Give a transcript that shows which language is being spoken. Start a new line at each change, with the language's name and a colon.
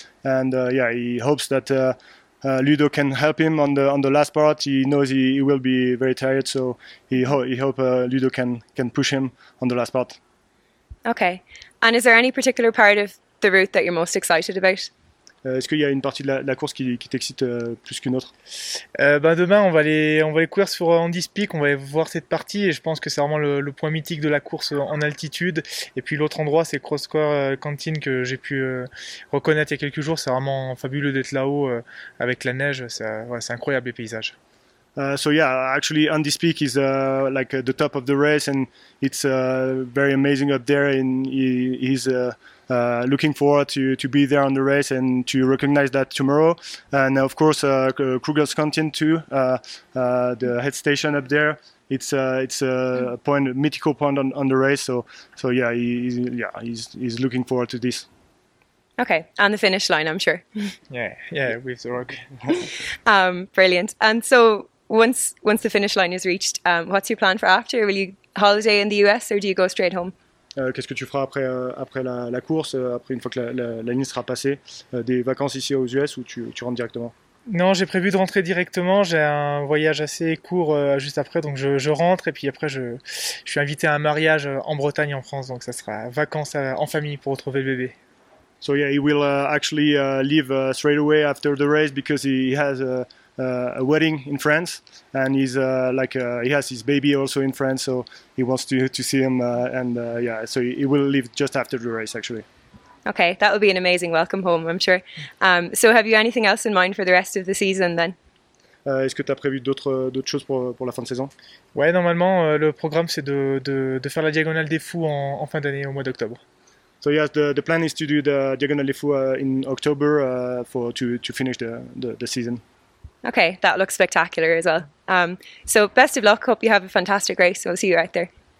English: And he hopes that Ludo can help him on the last part. He knows he will be very tired, so he hopes Ludo can push him on the last part. Okay. And is there any particular part of the route that you're most excited about?
French: Est-ce qu'il y a une partie de la course qui t'excite plus qu'une autre? Demain, on va aller courir sur Andy's Peak, on va aller voir cette partie, et je pense que c'est vraiment le point mythique de la course en altitude. Et puis l'autre endroit, c'est Cross Square Canteen, que j'ai pu reconnaître il y a quelques jours. C'est vraiment fabuleux d'être là-haut avec la neige, c'est incroyable les paysages.
English: So yeah, actually, Andy Speak is like the top of the race, and it's very amazing up there. And he's looking forward to be there on the race and to recognize that tomorrow. And of course, Kruger's Canyon too, the head station up there. It's a point, a mythical point on the race. So yeah, he's looking forward to this. Okay, and the finish line, I'm sure. Yeah, with the rock. Brilliant. And so once the finish line is reached, what's your plan for after? Will you holiday in the US or do you go straight home?
French: Qu'est-ce que tu feras après la course, après une fois que la ligne sera passée, des vacances ici aux US ou tu rentres directement? Non, j'ai prévu de rentrer directement. J'ai un voyage assez court juste après, donc je rentre et puis après je suis invité à un mariage en Bretagne, en France, donc ça sera vacances en famille pour retrouver le bébé.
English: So yeah, he will actually leave straight away after the race because he has a wedding in France, and he's he has his baby also in France, so he wants to see him, so he will leave just after the race actually. Okay, that will be an amazing welcome home, I'm sure. So have you anything else in mind for the rest of the season then?
French: Est-ce que tu as prévu d'autres choses pour la fin de saison? Ouais, normalement le programme c'est de faire la Diagonale des Fous en fin d'année, au mois d'octobre.
English: So yes, the plan is to do the Diagonale des Fous in October to finish the season. Okay, that looks spectacular as well. So best of luck, hope you have a fantastic race. We'll see you out there.